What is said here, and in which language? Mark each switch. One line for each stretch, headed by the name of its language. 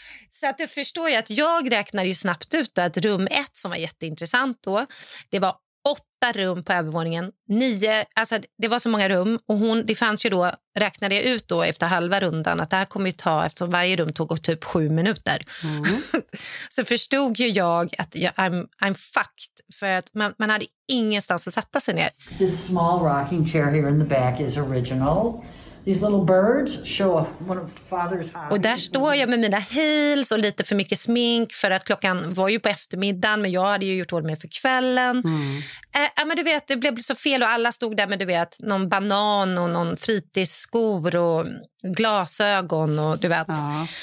Swedish: Så att du förstår ju att jag räknar ju snabbt ut att rum 1 som var jätteintressant då, det var 8 rum på övervåningen, 9, alltså det var så många rum och hon, det fanns ju då, räknade jag ut då efter halva rundan att det här kommer ju ta, eftersom varje rum tog typ 7 minuter, så förstod ju jag att jag,
English: I'm fucked,
Swedish: för att man hade ingenstans att sätta sig ner.
English: This small rocking chair here in the back is original. These little birds show one of father's hobbies.
Swedish: Och där står jag med mina heels och lite för mycket smink, för att klockan var ju på eftermiddagen, men jag hade ju gjort ordning för kvällen. Men du vet, det blev så fel och alla stod där med, du vet, någon banan och någon fritidsskor och glasögon och du vet. Ja.